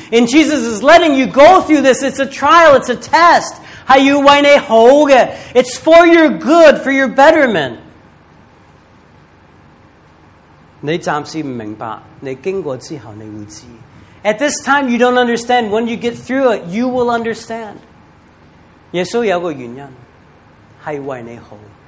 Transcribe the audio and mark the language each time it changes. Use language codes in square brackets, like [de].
[en] And Jesus is letting you go through this. It's a trial. It's a test. [zh] 还有为你好的, [en] it's for your good, for your betterment. [zh] 你暂时不明白，你经过之后你会知。 [en] At this time, you don't understand. When you get through it, you will understand. [zh] 耶稣有个原因，是为你好。